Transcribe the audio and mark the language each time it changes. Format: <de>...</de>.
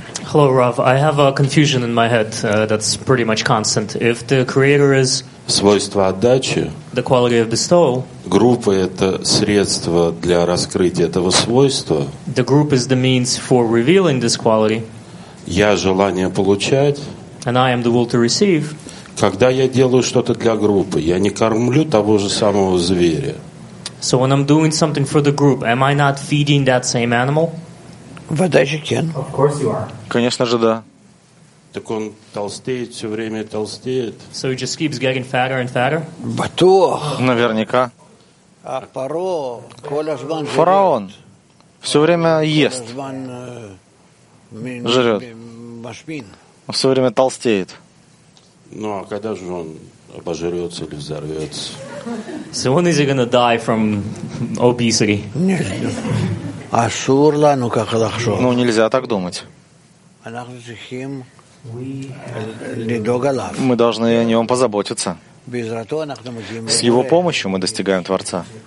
<en>Hello, Rav. I have a confusion in my head that's pretty much constant. If the creator is</en> <ru>свойство отдачи,</ru> <en>the quality of bestowal,</en> <ru>группа — это средство для раскрытия этого свойства,</ru> <en>the group is the means for revealing this quality,</en> <ru>я желание получать,</ru> <en>and I am the will to receive,</en> <ru>когда я делаю что-то для группы, я не кормлю того же самого зверя.</ru> <en>So when I'm doing something for the group, am I not feeding that same animal?</en> <ru>Конечно же, да. Так он толстеет, все время толстеет.</ru> <en>So he just keeps getting fatter and fatter?</en> <ru>Наверняка. Фараон все время ест, жрет, все время толстеет. Ну а когда же он обожрется или взорвется?</ru> <en>So when is he gonna die from obesity?</en> <ru>Ну, нельзя так думать. Мы должны о нем позаботиться. С его помощью мы достигаем Творца.</ru>